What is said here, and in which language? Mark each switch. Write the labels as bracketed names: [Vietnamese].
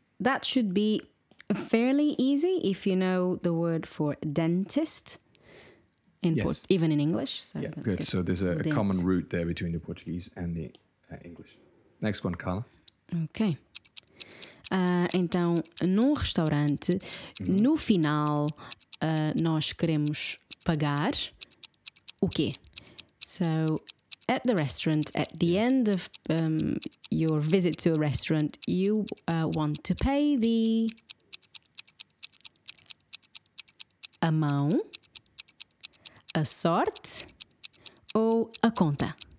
[English] That should be fairly easy if you know the word for dentist. Even in English. So yeah, that's good. So there's a common root there between the Portuguese and the English. Next one, Carla. Okay. [Portuguese] Então, num restaurante, no final, nós queremos pagar o quê? [English] So, at the restaurant, at the end of your visit to a restaurant, you want to pay the [Portuguese] a mão, a sorte ou a conta?